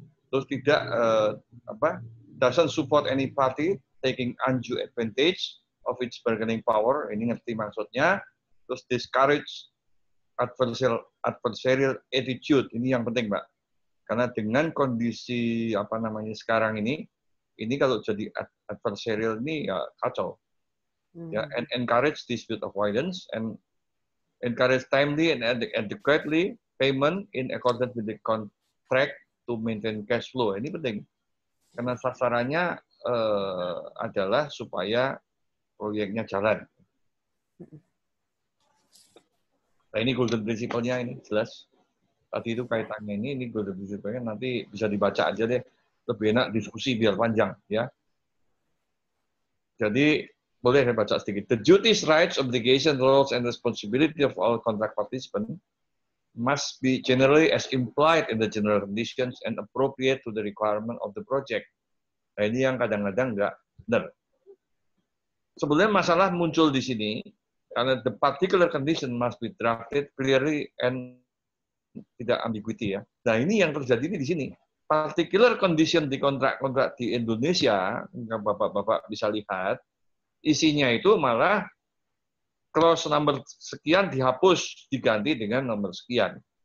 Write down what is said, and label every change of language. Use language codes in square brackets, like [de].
[id] Terus tidak [en] doesn't support any party taking undue advantage of its bargaining power, [id] ini ngerti maksudnya. Terus [en] discourage adversarial attitude, [id] ini yang penting, Mbak. Karena dengan kondisi sekarang ini kalau jadi adversarial ini ya kacau. [en] Ya, and encourage dispute avoidance and encourage timely and adequately payment in accordance with the contract to maintain cash flow. [id] Ini penting. Karena sasarannya adalah supaya proyeknya jalan. Nah, ini golden principle-nya, ini jelas. Tadi itu kaitannya ini golden principle-nya, nanti bisa dibaca aja deh. Lebih enak diskusi biar panjang. Ya. Jadi, boleh saya baca sedikit. [en] The duties, rights, obligations, roles, and responsibility of all contract participants must be generally as implied in the general conditions and appropriate to the requirement of the project. [id] Nah, ini yang kadang-kadang nggak benar. Sebenarnya masalah muncul di sini, karena [en] the particular condition must be drafted clearly and [id] tidak ambiguity ya. Nah, ini yang terjadi di sini. Particular condition di kontrak-kontrak di Indonesia, yang Bapak-Bapak bisa lihat, isinya itu malah clause nomor sekian dihapus, diganti dengan nomor sekian.